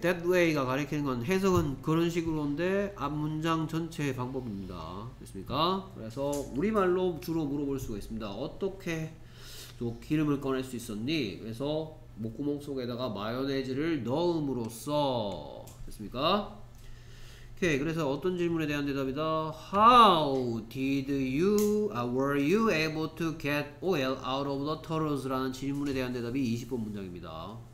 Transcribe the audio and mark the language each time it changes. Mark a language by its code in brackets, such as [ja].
[ko] That way가 가리키는 건 해석은 그런 식으로인데 앞 문장 전체의 방법입니다. 됐습니까? 그래서 우리말로 주로 물어볼 수가 있습니다. 어떻게 또 기름을 꺼낼 수 있었니? 그래서 목구멍 속에다가 마요네즈를 넣음으로써 됐습니까? 오케이. 그래서 어떤 질문에 대한 대답이다. [en] Were you able to get oil out of the turtles? [ko] 라는 질문에 대한 대답이 20번 문장입니다.